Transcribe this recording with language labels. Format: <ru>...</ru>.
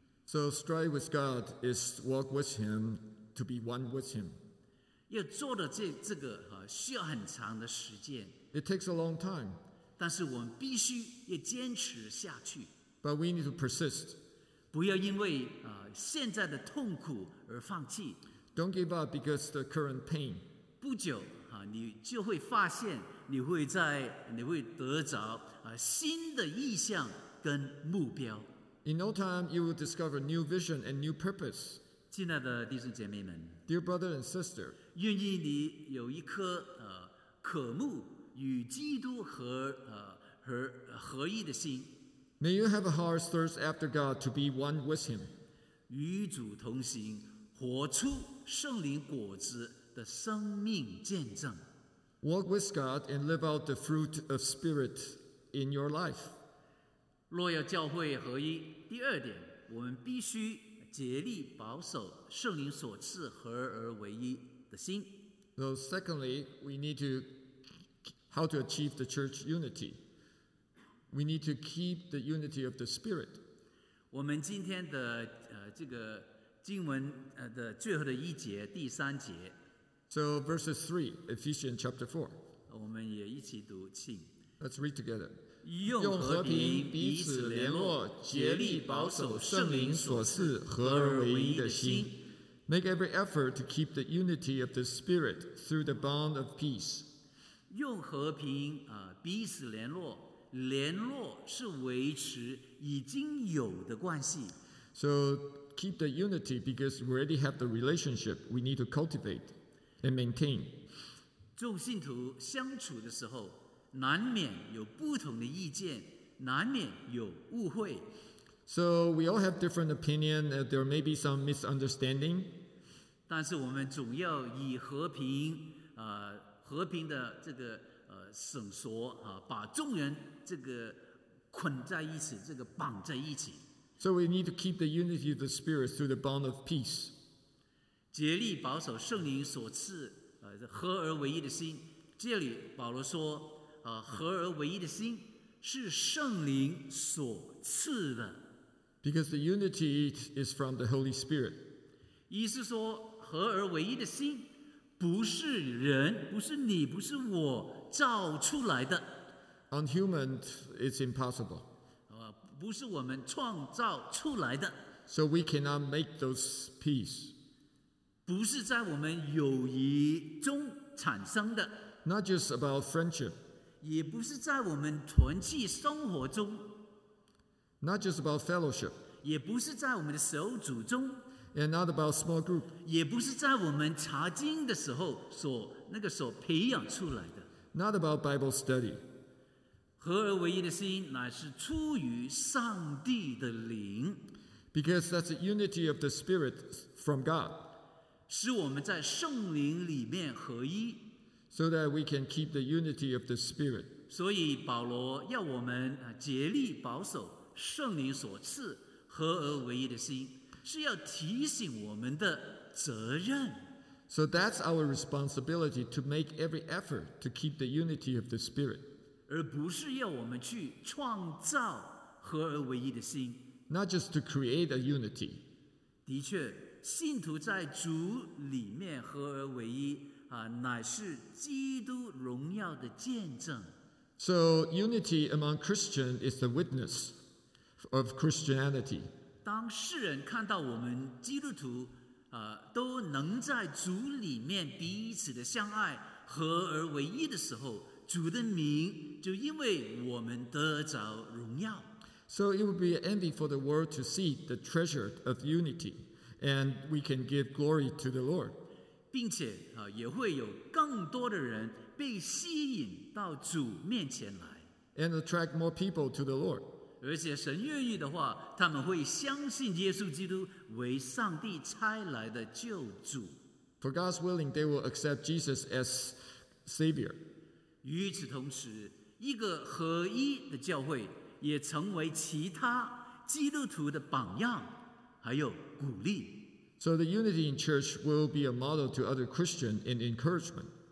<en>So strive with God is walk with him to be one with him.</en> <zh>要做的这个需要很长的时间。</zh> <en>It takes a long time.</en> <zh>但是我们必须要坚持下去。</zh> <en>But we need to persist.</en> <zh>不要因为现在的痛苦而放弃。</zh> <en>Don't give up because the current pain.</en> <zh>不久你就会发现你会得着新的意向跟目标。</zh> <en>In no time, you will discover new vision and new purpose.</en> <zh>亲爱的弟兄姐妹们</zh> <en>Dear brother and sister,</en> <zh>愿意你有一颗渴慕与基督合一的心。</zh> <en>May you have a heart thirst after God to be one with him.</en> <zh>与主同行活出圣灵果子的生命见证。</zh> <en>Walk with God and live out the fruit of Spirit in your life.</en> <zh>若要教会合一，第二点，我们必须竭力保守圣灵所赐合而为一的心。</zh> <en>So secondly, we need to how to achieve the church unity. We need to keep the unity of the Spirit.</en> <zh>我们今天的这个。经文的最后的一节第三节</zh> <en>So verses 3 Ephesians chapter 4</en> <zh>我们也一起读请</zh> <en>Let's read together</en> <zh>用和平彼此联络竭力保守圣灵所赐合而为一的心</zh> <en>Make every effort to keep the unity of the spirit through the bond of peace</en> <zh>用和平彼此联络联络是维持已经有的关系</zh> <en>SoKeep the unity because we already have the relationship we need to cultivate and maintain.</en> <zh>众信徒相处的时候难免有不同的意见难免有误会。</zh> <en>So we all have different opinion, there may be some misunderstanding.</en> <zh>但是我们总要以和平和平的这个绳索把众人这个捆在一起这个绑在一起。</zh> <en>So we need to keep the unity of the Spirit through the bond of peace.</en> <zh>竭力保守圣灵所赐合而为一的心。这里保罗说合而为一的心是圣灵所赐的。</zh> <en>Because the unity is from the Holy Spirit.</en> <zh>意思说合而为一的心不是人不是你不是我造出来的。</zh> <en>On human, it's impossible.</en> <zh>不是我们创造出来的</zh> <en>So we cannot make those peace</en> <zh>不是在我们友谊中产生的</zh> <en>Not just about friendship</en> <zh>也不是在我们团契生活中</zh> <en>Not just about fellowship</en> <zh>也不是在我们的手组中</zh> <en>And not about small group.</en> <zh>也不是在我们查经的时候所那个所培养出来的。</zh> <en>Not about Bible study.</en> <zh>合而为一的心乃是出于上帝的灵。</zh> <en>Because that's the unity of the Spirit from God.</en> <zh>使我们在圣灵里面合一。</zh> <en>So that we can keep the unity of the Spirit.</en> <zh>所以保罗要我们竭力保守圣灵所赐合而为一的心。是要提醒我们的责任。</zh> <en>So that's our responsibility to make every effort to keep the unity of the Spirit.</en> <zh>而不是要我们去创造合而为一的心。</zh> <en>Not just to create a unity.</en> <zh>的确，信徒在主里面合而为一，乃是基督荣耀的见证。</zh> <en>So unity among Christians is the witness of Christianity.</en> <zh>当世人看到我们基督徒都能在主里面彼此的相爱合而为一的时候，主的名就因为我们得着荣耀。</zh> <en>So it would be an envy for the world to see the treasure of unity, and we can give glory to the Lord.</en> <zh>并且也会有更多的人被吸引到主面前来。</zh> <en>And attract more people to the Lord.</en> <zh>而且神愿意的话，他们会相信耶稣基督为上帝差来的救主。</zh> <en>For God's willing, they will accept Jesus as Savior.</en> <zh>与此同时，一个合一的教会也成为其他基督徒的榜样，还有鼓励。</zh> <en>So the unity in church will be a model to other Christians and encouragement.</en>